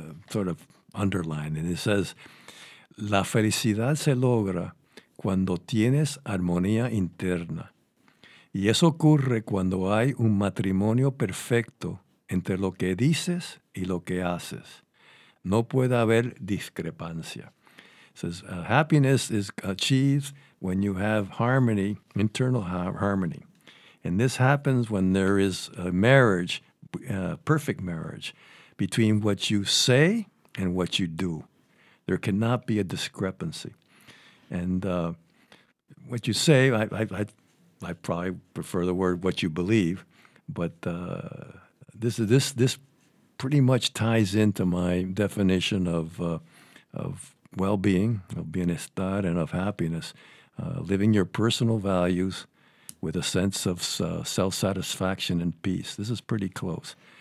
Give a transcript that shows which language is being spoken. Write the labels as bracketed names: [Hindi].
[English] sort of underline, and it says, [Spanish] "La felicidad se logra cuando tienes armonía interna, y eso ocurre cuando hay un matrimonio perfecto entre lo que dices y lo que haces. No puede haber discrepancia." [English] It says, "Happiness is achieved when you have harmony, internal harmony." And this happens when there is a marriage, a perfect marriage, between what you say and what you do. There cannot be a discrepancy. And what you say, I probably prefer the word what you believe, but this pretty much ties into my definition of well-being, of bienestar, and of happiness, living your personal values with a sense of self-satisfaction and peace. This is pretty close.